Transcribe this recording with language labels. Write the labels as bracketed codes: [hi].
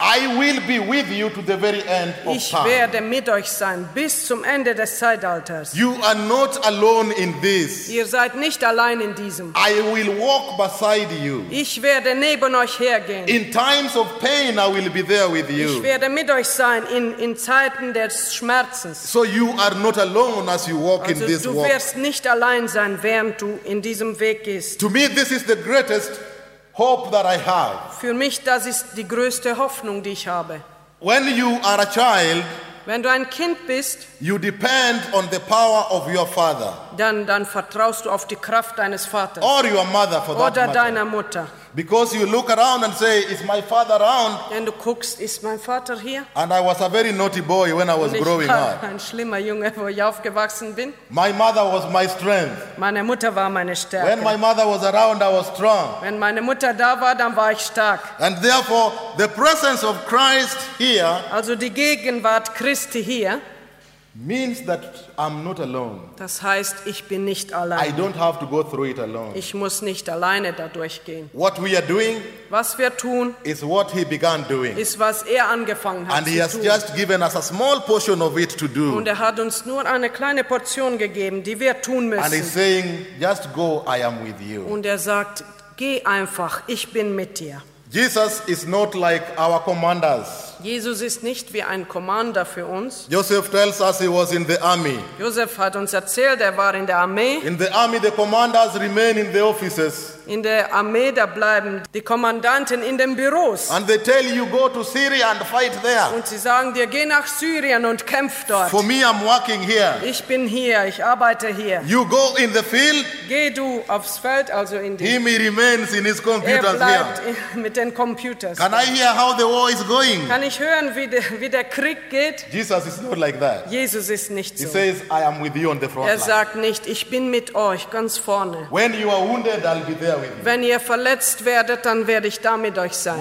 [en] I will be with you to the very end of time. [de] Ich werde mit euch sein bis zum Ende des Zeitalters. [en] You are not alone in this. [de] Ihr seid nicht allein in diesem. [en] I will walk beside you. [de] Ich werde neben euch hergehen. [en] In times of pain I will be there with you. [de] Ich werde mit euch sein in Zeiten des Schmerzens. [en] So you are not alone as you walk [de] also [en] in this [de] walk. Du wirst nicht allein sein, während du in diesem Weg gehst. [en] To me this is the greatest hope that I have. [de] Für mich, das ist die größte Hoffnung, die ich habe. [en] When you are a child, [de] wenn du ein Kind bist, [en] you depend on the power of your father. [de] Dann vertraust du auf die Kraft deines Vaters. [en] Or your mother, for [de] oder [en] that matter. [de] Deiner Mutter. [en] Because you look around and say, "Is my father around?" [de] Wenn du guckst, ist mein Vater hier? [en] And I was a very naughty boy when I was growing up. [de] Ein schlimmer Junge, wo ich aufgewachsen bin. [en] My mother was my strength. [de] Meine Mutter war meine Stärke. [en] When my mother was around, I was strong. [de] Wenn meine Mutter da war, dann war ich stark. [en] And therefore, the presence of Christ here. [de] Also die Gegenwart Christi hier. [en] Means that I'm not alone. [de] Das heißt, ich bin nicht alleine. [en] I don't have to go through it alone. [de] Ich muss nicht alleine dadurch gehen. [en] What we are doing, [de] was wir tun, [en] is what he began doing. [de] Ist was er angefangen hat [en] And [de] zu [en] he has [de] tun. [en] Just given us a small portion of it to do. [de] Und er hat uns nur eine kleine Portion gegeben, die wir tun müssen. [en] And he's saying, just go, I am with you. [de] Und er sagt, geh einfach, ich bin mit dir. [en] Jesus is not like our commanders. [de] Jesus ist nicht wie ein Commander für uns. [en] Joseph tells us he was in the army. [de] Joseph hat uns erzählt, er war in der Armee. [en] In the army, the commanders remain in the offices. [de] In der Armee, da bleiben die Kommandanten in den Büros. [en] And they tell you, go to Syria and fight there. [de] Und sie sagen dir, geh nach Syrien und kämpf dort. [en] For me, I'm working here. [de] Ich bin hier, ich arbeite hier. [en] You go in the field. [de] Geh du aufs Feld, also in die. [en] He remains in his computers here. [de] Er bleibt mit den Computers. [en] Can I hear how the war is going? [de] Kann ich hören, wie der Krieg geht? [en] Jesus is not like that. [de] Jesus ist nicht so. [en] He says, I am with you on the front line. [de] Er sagt nicht, ich bin mit euch ganz vorne. [en] When you are wounded, I'll be there. [de] Wenn ihr verletzt werdet, dann werde ich da mit euch sein.